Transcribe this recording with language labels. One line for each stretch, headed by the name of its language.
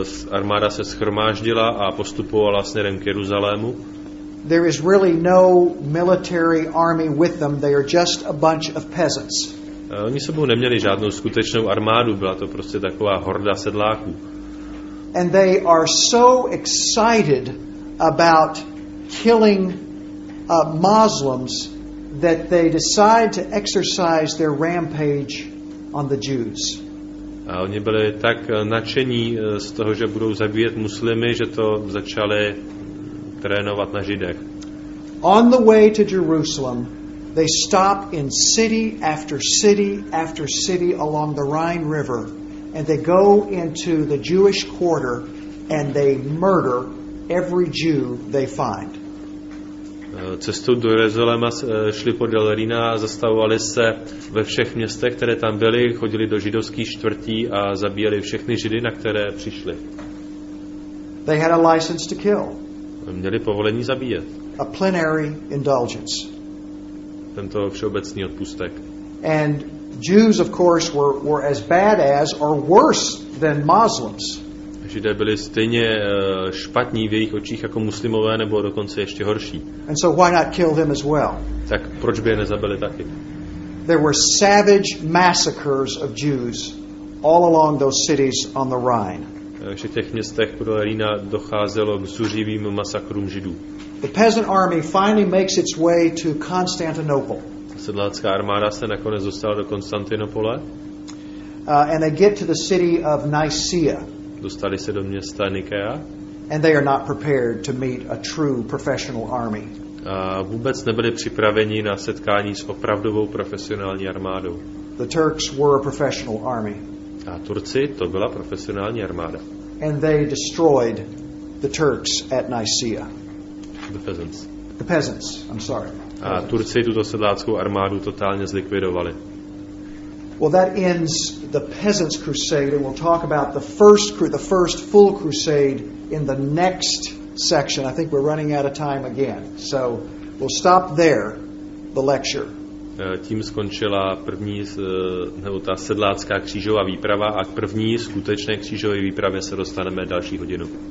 Czech: Armáda se shromáždila a postupovala směrem k Jeruzalému.
English: There is really no military army with them. They are just a bunch of peasants.
Czech: Oni sebou neměli žádnou skutečnou armádu, byla to prostě taková horda sedláků.
English: And they are so excited about killing Muslims that they decide to exercise their rampage on the Jews.
Czech: A oni byli tak nadšení z toho, že budou zabíjet muslimy, že to začali trénovat na Židech.
English: On the way to Jerusalem, they stop in city after city after city along the Rhine River. And they go into the Jewish quarter and they murder every Jew they find.
Czech: cestou do Jeruzaléma šli podél Rýna a zastavovali se ve všech městech, které tam byly, chodili do židovských čtvrtí a zabíjeli všechny Židy, na které přišli.
English: They had a license to kill.
Czech: Měli povolení zabíjet.
English: A plenary indulgence.
Czech: Tento všeobecný odpustek.
English: And Jews, of course, were as bad as or worse than Muslims.
Czech: Židé byli stejně špatní v jejich očích jako muslimové, nebo dokonce ještě horší.
English: And so why not kill them as well?
Czech: Tak proč by je nezabili taky?
English: There were savage massacres of Jews all along those cities on the Rhine.
Czech: Že v těch městech podle Rýna docházelo k zuřivým masakrům Židů.
English: The peasant army finally makes its way to Constantinople.
Czech: Sedlácká armáda se nakonec dostala do Konstantinopole.
English: And they get to the city of Nicaea.
Czech: Dostali se do města Nikea.
English: And they are not prepared to meet a true professional army.
Czech: A vůbec nebyli připraveni na setkání s opravdovou profesionální armádou.
English: The Turks were a professional army.
Czech: A Turci, to byla profesionální armáda.
English: And they destroyed the Turks at Nicaea. The peasants. The peasants, I'm sorry.
Czech: A Turci tuto sedláckou armádu totálně zlikvidovali.
English: Well, that ends the peasants crusade, and we'll talk about the first full crusade in the next section. I think we're running out of time again. So, we'll stop there the lecture.
Czech: Tím skončila první, nebo ta sedlácká křížová výprava, a k první skutečné křížové výpravě se dostaneme další hodinu.